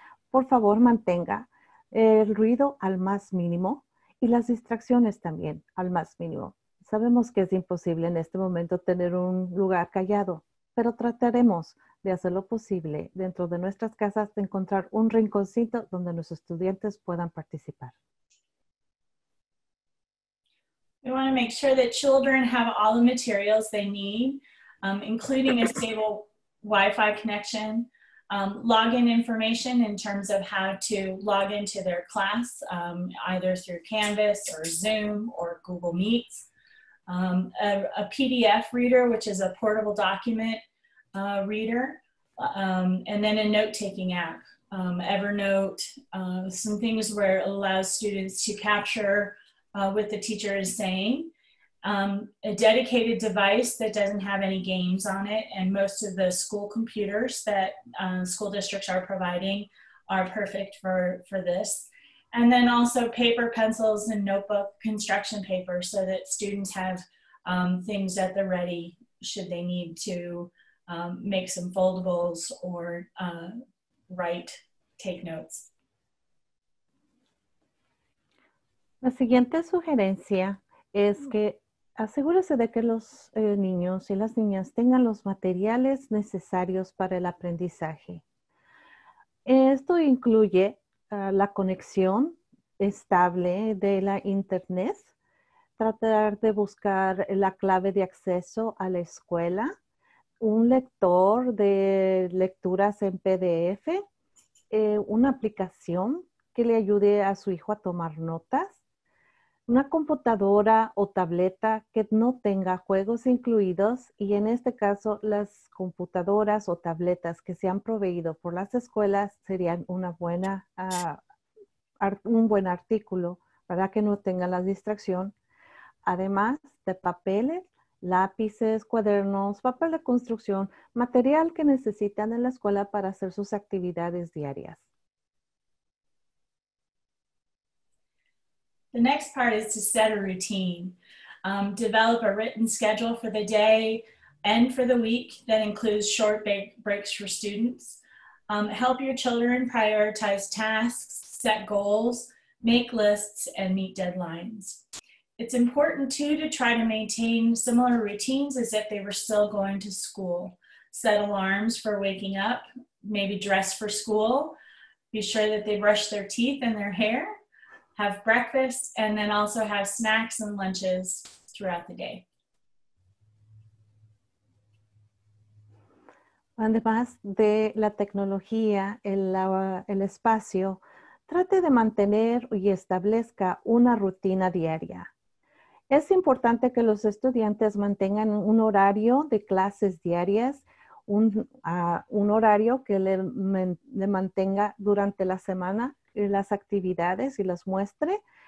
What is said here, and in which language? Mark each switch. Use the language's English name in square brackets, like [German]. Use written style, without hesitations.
[Spanish] Por favor, mantenga el ruido al más mínimo y las distracciones también al más mínimo. Sabemos que es imposible en este momento tener un lugar callado, pero trataremos de hacer lo posible dentro de nuestras casas de encontrar un rinconcito donde nuestros estudiantes puedan participar. [English] We want to make sure that children have all the materials they need, including a stable Wi-Fi connection, login information in terms of how to log into their class, either through Canvas or Zoom or Google Meets, a PDF reader, which is a portable document reader, and then a note-taking app, Evernote, some things where it allows students to capture what the teacher is saying. A dedicated device that doesn't have any games on it, and most of the school computers that school districts are providing are perfect for this. And then also paper, pencils, and notebook construction paper so that students have things at the ready should they need to make some foldables or write, take notes. [Spanish] La siguiente sugerencia es que asegúrese de que los niños y las niñas tengan los materiales necesarios para el aprendizaje. Esto incluye la conexión estable de la internet, tratar de buscar la clave de acceso a la escuela, un lector de lecturas en PDF, una aplicación que le ayude a su hijo a tomar notas, una computadora o tableta que no tenga juegos incluidos y en este caso las computadoras o tabletas que se han proveído por las escuelas serían una buena, un buen artículo para que no tengan la distracción. Además de papeles, lápices, cuadernos, papel de construcción, material que necesitan en la escuela para hacer sus actividades diarias. [English] The next part is to set a routine. Develop a written schedule for the day and for the week that includes short breaks for students. Help your children prioritize tasks, set goals, make lists, and meet deadlines. It's important too to try to maintain similar routines as if they were still going to school. Set alarms for waking up, maybe dress for school, be sure that they brush their teeth and their hair, have breakfast, and then also have snacks and lunches throughout the day. [Spanish] Además de la tecnología, el espacio, trate de mantener y establezca una rutina diaria. Es importante que los estudiantes mantengan un horario de clases diarias, un horario que le mantenga durante la semana las actividades y las muestre.